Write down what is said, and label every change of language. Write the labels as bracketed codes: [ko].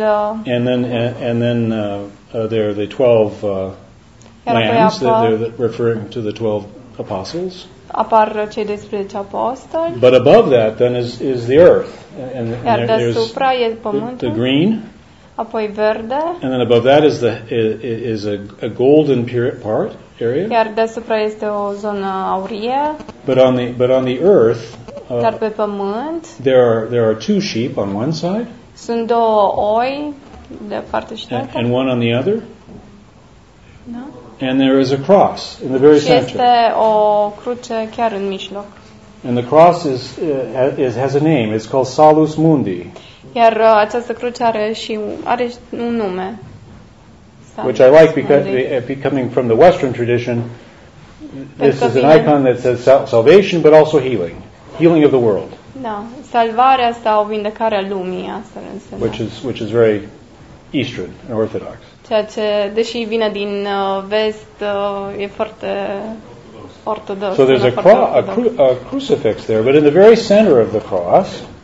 [en] And then there are the 12 lambs that they're referring to the 12 apostles. [ro] Apar cei 12 apostoli. [en] But above that then is the earth. And there's [ro] e pământul, [en] the green. [ro] Apoi verde. [en] And then above that is a golden part. Area. [ro] Iar deasupra este o zonă aurie. [en] But on the earth. [ro] Dar pe pământ. [en] There are two sheep on one side. [ro] Sunt două oi de parte și de alta. [en] And one on the other. No. And there is a cross in the very center. [ro] Și este o cruce chiar în mijloc. [en] And the cross has a name. It's called Salus Mundi. [ro] Iar această cruce are un nume. [en] Which I like because coming from the Western tradition, this is an icon that says salvation, but also healing of the world. [ro] No, salvarea sau vindecarea lumii, asta înseamnă. [en] Which is very Eastern and Orthodox. [ro] Ceea ce, deși vine din vest, e foarte ortodox. [en] So there's a crucifix there, but in the very center of the cross.